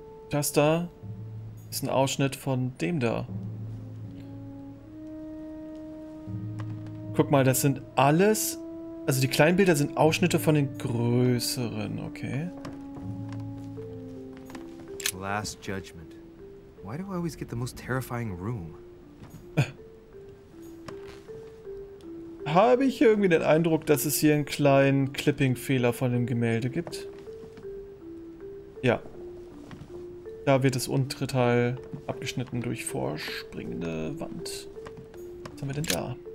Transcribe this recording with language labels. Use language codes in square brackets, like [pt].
[de] Das da ist ein Ausschnitt von dem da. Guck mal, das sind alles... Also die kleinen Bilder sind Ausschnitte von den größeren, okay. [en] Last Judgment. Why do I always get the most terrifying room? [de] Habe ich irgendwie den Eindruck, dass es hier einen kleinen Clipping-Fehler von dem Gemälde gibt? Ja. Da wird das untere Teil abgeschnitten durch vorspringende Wand. Was haben wir denn da?